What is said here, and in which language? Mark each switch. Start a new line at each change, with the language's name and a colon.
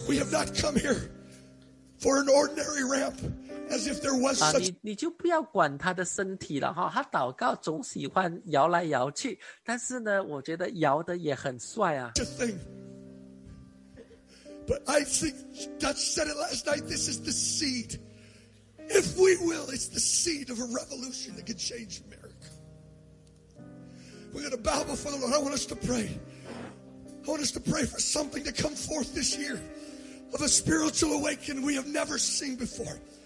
English: We have not come here for an ordinary ramp, as if there was such.
Chinese: 你就不要管他的身体了哈，他祷告总喜欢摇来摇去，但是呢，我觉得摇的也很帅啊。
English: Just think, but I think Dutch said it last night. This is the seed. If we will, it's the seed of a revolution that can change America. We're going to bow before the Lord. I want us to pray. I want us to pray for something to come forth this year. Of a spiritual awakening we have never seen before.